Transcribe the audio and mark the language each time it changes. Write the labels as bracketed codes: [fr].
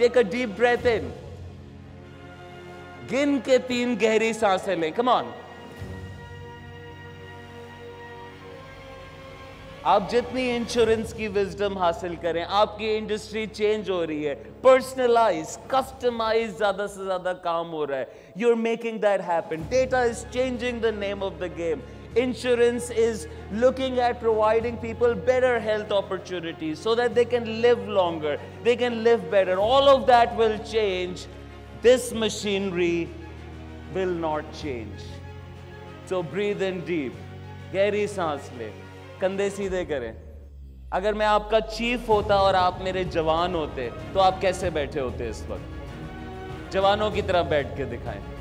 [en] take a deep breath in, [ur] گن کے تین گہری سانسیں لیں. کم آن, آپ جتنی انشورنس کی وزڈم حاصل کریں, آپ کی انڈسٹری چینج ہو رہی ہے, پرسنلائز کسٹمائز زیادہ سے زیادہ کام ہو رہا ہے. [en] You are making that happen. Data is changing the name of the game. Insurance is looking at providing people better health opportunities so that they can live longer, they can live better. All of that will change, this machinery will not change. So breathe in deep, [ur] گہری سانس لیں, کندھے سیدھے کریں. اگر میں آپ کا چیف ہوتا اور آپ میرے جوان ہوتے تو آپ کیسے بیٹھے ہوتے اس وقت؟ جوانوں کی طرح بیٹھ کے دکھائیں.